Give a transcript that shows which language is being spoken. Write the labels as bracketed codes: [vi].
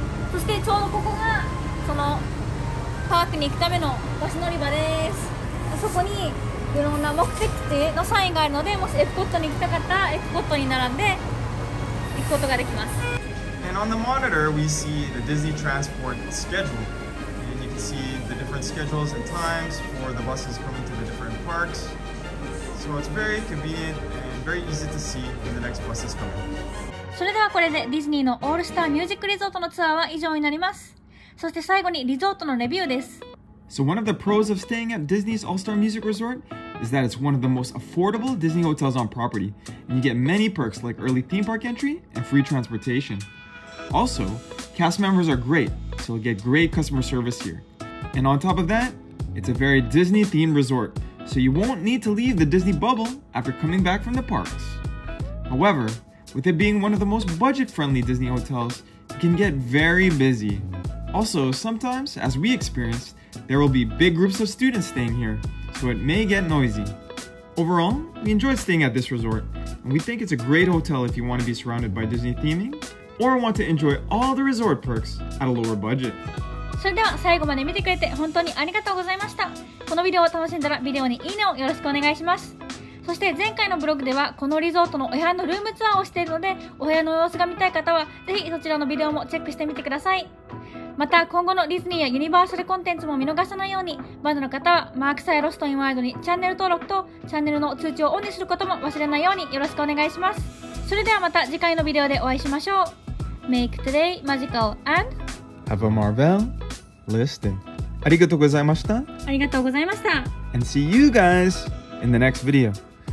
[ja] そしてちょうどここがそのパークに行くためのバス乗り場です。そこにいろんな目的地のサインがあるので、もしエプコットに行きたかったらエプコットに並んで行くことができます。 [en] And on the monitor we see the Disney transport schedule. See the different schedules and times for the buses coming to the different parks. So it's very convenient and very easy to see when the next bus is coming. [ja] それではこれでディズニーのオールスターミュージックリゾートのツアーは以上になります。そして最後にリゾートのレビューです。 [en] So one of the pros of staying at Disney's All-Star Music Resort is that it's one of the most affordable Disney hotels on property, and you get many perks like early theme park entry and free transportation. Also, cast members are great, so you'll get great customer service here. And on top of that, it's a very Disney-themed resort, so you won't need to leave the Disney bubble after coming back from the parks. However, with it being one of the most budget-friendly Disney hotels, it can get very busy. Also, sometimes, as we experienced, there will be big groups of students staying here, so it may get noisy. Overall, we enjoyed staying at this resort, and we think it's a great hotel if you want to be surrounded by Disney theming,or want to enjoy all the resort perks at a lower budget. [ja] それでは最後まで見てくれて本当にありがとうございました。このビデオを楽しんだらビデオにいいねをよろしくお願いします。そして前回のブログではこのリゾートのお部屋のルームツアーをしているので、お部屋の様子が見たい方はぜひそちらのビデオもチェックしてみてください。また今後のディズニーやユニバーサルコンテンツも見逃さないように、まだの方はマークサイロストインワールドにチャンネル登録とチャンネルの通知をオンにすることも忘れないようによろしくお願いします。それではまた次回のビデオでお会いしましょう。 [en] Make today magical and have a Marvel listing. [ja] ありがとうございました。ありがとうございました。 [en] And see you guys in the next video.